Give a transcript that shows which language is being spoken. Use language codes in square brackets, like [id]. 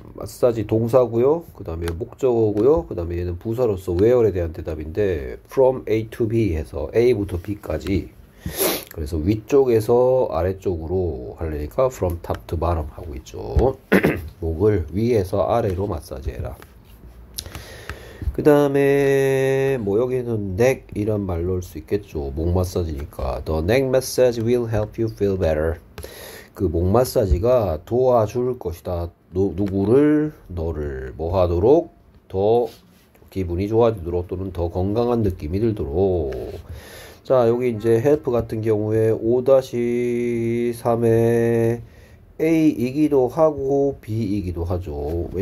[ko] 마사지 동사고요. 그 다음에 목적어고요. 그 다음에 얘는 부사로서 where에 대한 대답인데 [en] from A to B [ko] 해서 A부터 B까지. 그래서 위쪽에서 아래쪽으로 하려니까 [en] from top to bottom [ko] 하고 있죠. 목을 위에서 아래로 마사지해라. 그 다음에 뭐 여기는 neck 이런 말로 할수 있겠죠. 목 마사지니까 [en] the neck massage will help you feel better. [ko] 그목 마사지가 도와줄 것이다. 누구를 너를 뭐 하도록 더 기분이 좋아지도록 또는 더 건강한 느낌이 들도록. 자, 여기 이제 help 같은 경우에 5-3에 A이기도 하고 B이기도 하죠.